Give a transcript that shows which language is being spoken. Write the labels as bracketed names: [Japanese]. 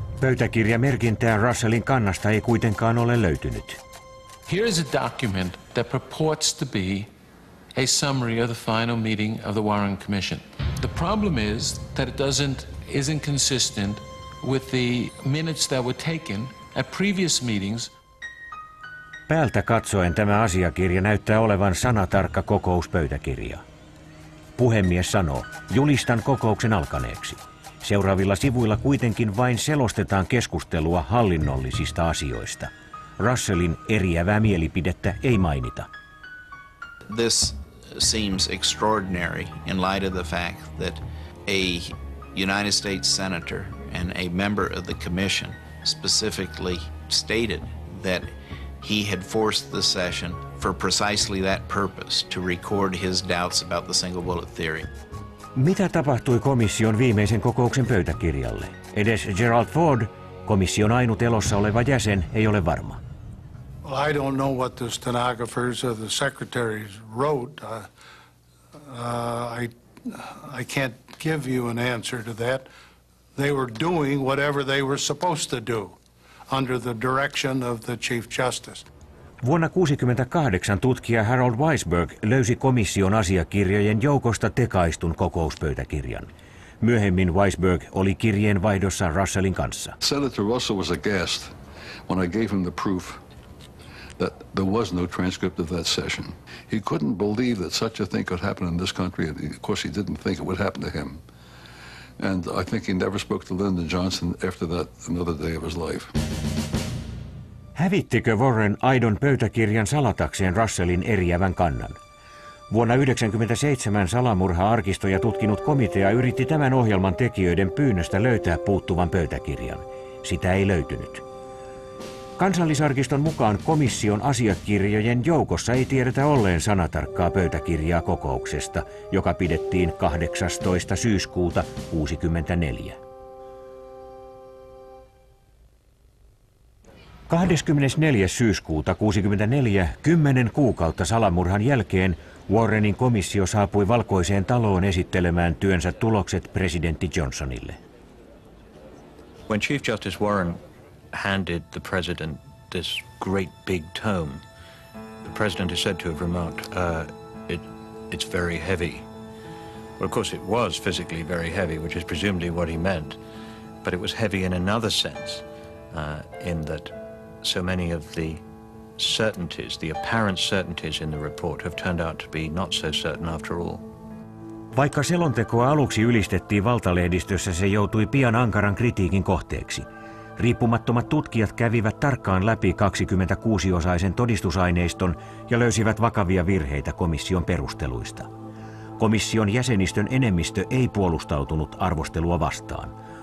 [Finnish] Pöytäkirjamerkintää Russellin kannasta ei kuitenkaan ole löytynyt. [English] Here is a document that purports to be a summary of the final meeting of the Warren Commission. The problem is that it isn't consistent with the minutes that were taken at previous meetings. [Finnish] Päältä katsoen tämä asiakirja näyttää olevan sanatarkka kokouspöytäkirja. Puhemies sanoo, julistan kokouksen alkaneeksi. Seuraavilla sivuilla kuitenkin vain selostetaan keskustelua hallinnollisista asioista. Russellin eriävää mielipidettä ei mainita. [English] This seems extraordinary in light of the fact that a United States senator and a member of the commission specifically stated that he had forced the session for precisely that purpose, to record his doubts about the single bullet theory. [Finnish] Mitä tapahtui komission viimeisen kokouksen pöytäkirjalle? Edes Gerald Ford, komission ainut elossa oleva jäsen, ei ole varma. [English] Well, I don't know what the stenographers or the secretaries wrote. I can't give you an answer to that. They were doing whatever they were supposed to do under the direction of the Chief Justice. [Finnish] Vuonna 1968 tutkija Harold Weisberg löysi komission asiakirjojen joukosta tekaistun kokouspöytäkirjan. Myöhemmin Weisberg oli kirjeenvaihdossa Russellin kanssa. [English] Senator Russell was aghast when I gave him the proof that there was no transcript of that session. He couldn't believe that such a thing could happen in this country, and of course he didn't think it would happen to him. And I think he never spoke to Lyndon Johnson after that another day of his life. [Finnish] Hävittikö Warren aidon pöytäkirjan salatakseen Russellin eriävän kannan? Vuonna 1997 salamurha-arkistoja tutkinut komitea yritti tämän ohjelman tekijöiden pyynnöstä löytää puuttuvan pöytäkirjan. Sitä ei löytynyt. Kansallisarkiston mukaan komission asiakirjojen joukossa ei tiedetä olleen sanatarkkaa pöytäkirjaa kokouksesta, joka pidettiin 18. syyskuuta 1964. 24. syyskuuta 1964, 10 kuukautta salamurhan jälkeen, Warrenin komissio saapui Valkoiseen taloon esittelemään työnsä tulokset presidentti Johnsonille. [English] When Chief Justice Warren handed the president this great big tome, the president is said to have remarked, it's very heavy. Well, of course it was physically very heavy, which is presumably what he meant, but it was heavy in another sense, in that so many of the certainties, the apparent certainties in the report have turned out to be not so certain after all. [Finnish] Vaikka selontekoa aluksi ylistettiin valtalehdistössä, se joutui pian ankaran kritiikin kohteeksi. Riippumattomat tutkijat kävivät tarkkaan läpi 26-osaisen todistusaineiston ja löysivät vakavia virheitä komission perusteluista. Komission jäsenistön enemmistö ei puolustautunut arvostelua vastaan.